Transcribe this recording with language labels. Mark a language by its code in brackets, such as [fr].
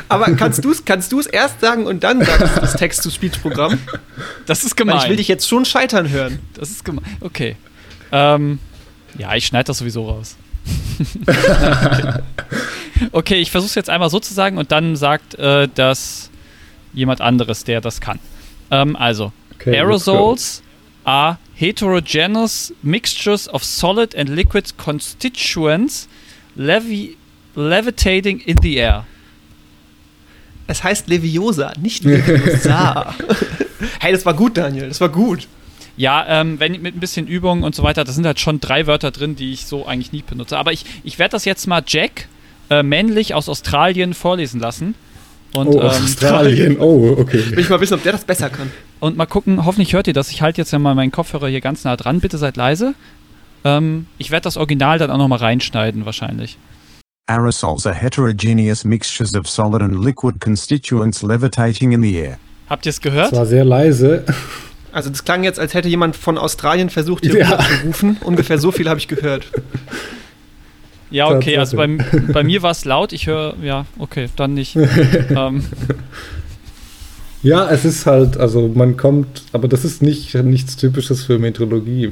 [de] Aber kannst du es erst sagen und dann sagst du das Text-to-Speech-Programm? Das ist gemein. Ich will dich jetzt schon scheitern hören. Das ist gemein. Okay. Ja, ich schneide das sowieso raus. Okay, ich versuche es jetzt einmal so zu sagen und dann sagt das jemand anderes, der das kann. [en] Also, okay, Aerosols are heterogeneous mixtures of solid and liquid constituents levitating in the air. [de] Es heißt Leviosa, nicht Leviosa. Hey, das war gut, Daniel, das war gut. Ja, wenn mit ein bisschen Übung und so weiter, da sind halt schon drei Wörter drin, die ich so eigentlich nie benutze. Aber ich werde das jetzt mal Jack, männlich aus Australien, vorlesen lassen. Und, Australien, oh, okay. Will ich mal wissen, ob der das besser kann. Und mal gucken, hoffentlich hört ihr das. Ich halte jetzt ja mal meinen Kopfhörer hier ganz nah dran. Bitte seid leise. Ich werde das Original dann auch noch mal reinschneiden wahrscheinlich. [en] Aerosols are heterogeneous mixtures of solid and liquid constituents levitating in the air. [de] Habt ihr es gehört? Es war sehr leise. Also das klang jetzt, als hätte jemand von Australien versucht, hier zu rufen. Ungefähr so viel habe ich gehört. Ja, okay, also bei mir war es laut. Ich höre, ja, okay, dann nicht. Ja, es ist halt, also man kommt, aber das ist nichts Typisches für Meteorologie.